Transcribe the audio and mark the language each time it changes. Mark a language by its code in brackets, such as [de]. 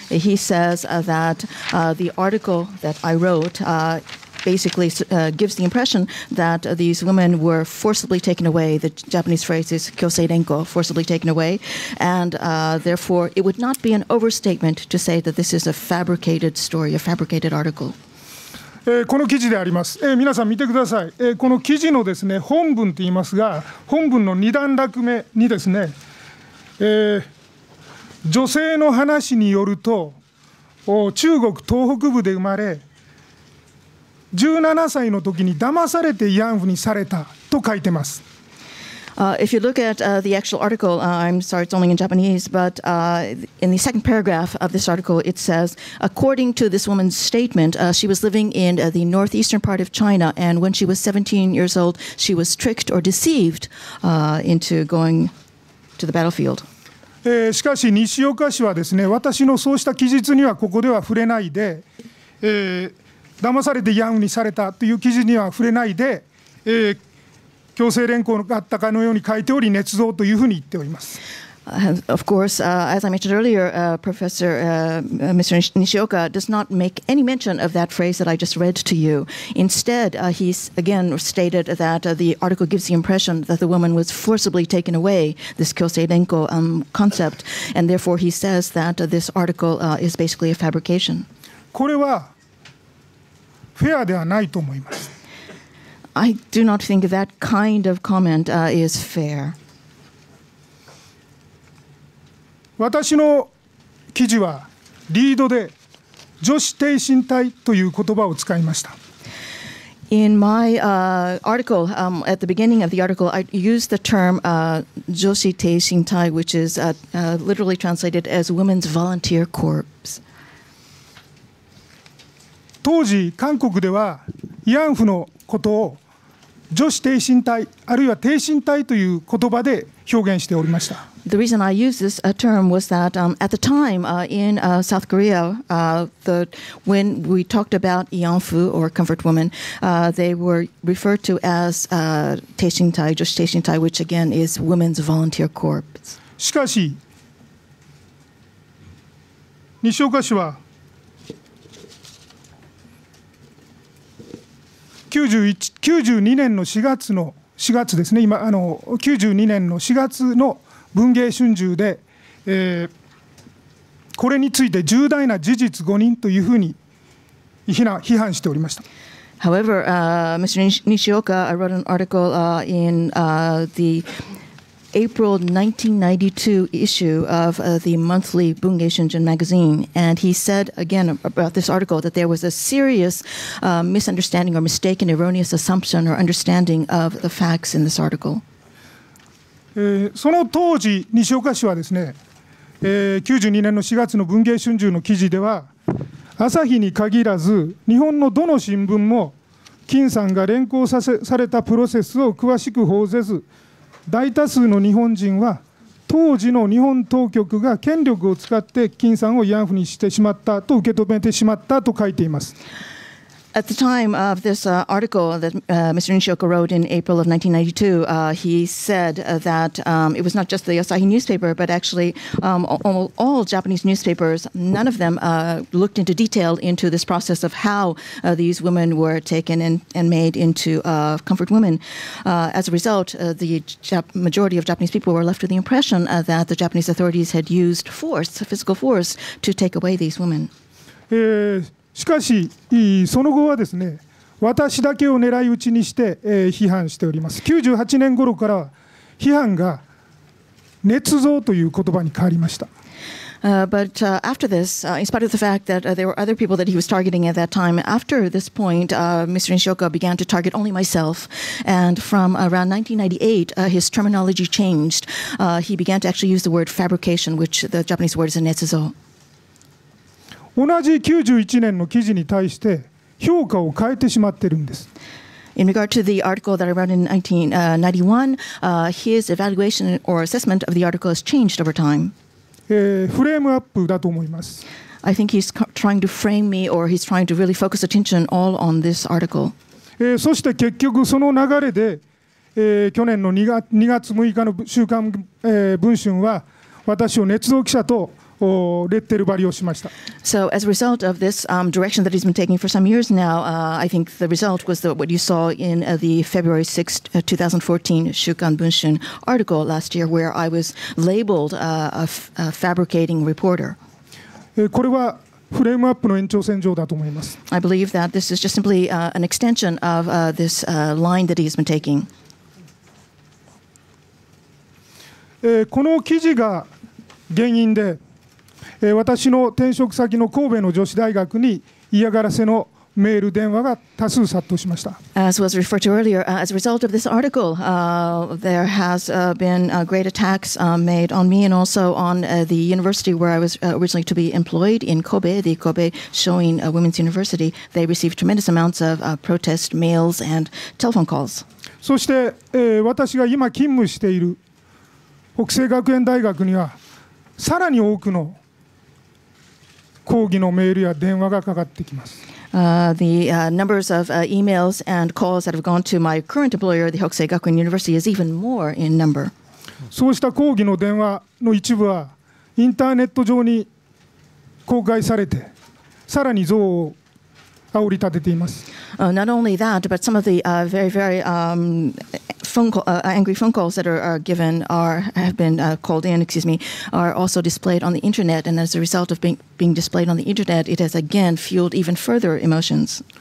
[en] He says that the article that I wrote basically gives the impression that these women were forcibly taken away. The Japanese phrase is 強制連行, forcibly taken away. And therefore, it would not be an overstatement to say that this is a fabricated story, a fabricated article. [ja] この記事であります。皆さん見てください。この記事のですね、本文と言いますが、本文の2段落目にですね、女性の話によると、中国東北部で生まれ、17歳の時に騙されて慰安婦にされたと書いてます。 [en] If you look at the actual article, I'm sorry, it's only in Japanese, but in the second paragraph of this article, it says, according to this woman's statement, she was living in the northeastern part of China, and when she was 17 years old, she was tricked or deceived into going to the battlefield. [ja] しかし西岡氏はですね、私のそうした記述にはここでは触れないで、騙されて慰安婦にされたという記事には触れないで、強制連行があったかのように書いており、捏造というふうに言っております。 [en] Of course, as I mentioned earlier, Professor Mr. Nishioka does not make any mention of that phrase that I just read to you. Instead, he again stated that the article gives the impression that the woman was forcibly taken away, this 強制連行 concept, and therefore he says that this article is basically a fabrication. [ja] これはフェアではないと思います。 [en] I do not think that kind of comment is fair. [ja] 私の記事はリードで女子低身体という言葉を使いました。 [en] In my article, at the beginning of the article, I used the term 女子低身体, which is literally translated as women's volunteer corpse. [ja] 当時韓国では慰安婦のことを女子低身体あるいは低身体という言葉で表現しておりました。 [en] The reason I use this term was that at the time in South Korea, when we talked about Yeonfu or comfort woman, they were referred to as Taeshintai, just Taeshintai, which again is women's volunteer corps. [ja] しかし、西岡氏は91、92年の4月の4月ですね、今92年の4月の文藝春秋で、これについて重大な事実誤認というふうに批判しておりました。 [en] However, Mr. Nishioka wrote an article in the April 1992 issue of the monthly 文藝春秋 magazine, and he said again about this article that there was a serious misunderstanding or mistaken, erroneous assumption or understanding of the facts in this article. [ja] その当時西岡氏はですね、92年の4月の文藝春秋の記事では、朝日に限らず日本のどの新聞も金さんが連行されたプロセスを詳しく報せず、大多数の日本人は当時の日本当局が権力を使って金さんを慰安婦にしてしまったと受け止めてしまったと書いています。 [en] At the time of this article that Mr. Nishioka wrote in April of 1992, he said that it was not just the Asahi newspaper, but actually all Japanese newspapers, none of them looked into detail into this process of how these women were taken and made into comfort women. As a result, the majority of Japanese people were left with the impression that the Japanese authorities had used force, physical force, to take away these women. [ja] しかしその後はですね、私だけを狙い撃ちにして批判しております。 98年頃から批判が捏造という言葉に変わりました。 [en] But after this, in spite of the fact that there were other people that he was targeting at that time, after this point, Mr. Nishioka began to target only myself. And from around 1998, his terminology changed. He began to actually use the word fabrication, which the Japanese word is a 捏造。 [ja] 同じ91年の記事に対して評価を変えてしまってるんです。 [en] In regard to the article that I wrote in 1991, his evaluation or assessment of the article has changed over time. [ja] フレームアップだと思います。 [en] I think he's trying to frame me or he's trying to really focus attention all on this article. [ja] そして結局その流れで、去年の2月6日の週刊、文春は私を捏造記者とレッテル貼りをしました。 [en] So as a result of this direction that he's been taking for some years now, I think the result was what you saw in the February 6th, 2014 Shukan Bunshun article last year, where I was labeled a fabricating reporter. [ja] これはフレームアップの延長線上だと思います。 [en] I believe that this is just simply an extension of this line that he's been taking. [ja] この記事が原因で、私の転職先の神戸の女子大学に嫌がらせのメール電話が多数殺到しました。 [en] As was referred to earlier, as a result of this article, there has been great attacks made on me and also on the university where I was originally to be employed in Kobe, the Kobe Showing Women's University. They received tremendous amounts of protest mails and telephone calls. [ja] そして、私が今勤務している北西学園大学にはさらに多くの抗議のメールや電話がかかってきます。 [en] Numbers of emails and calls that have gone to my current employer, the Hokusei Gakuin University, is even more in number. [ja] そうした抗議の電話の一部はインターネット上に公開されて、さらに憎悪を煽り立てています。 [en] Not only that, but some of the very, very angry phone calls that are given are have been called in, excuse me, are also displayed on the internet. And as a result of being displayed on the internet, it has again fueled even further emotions.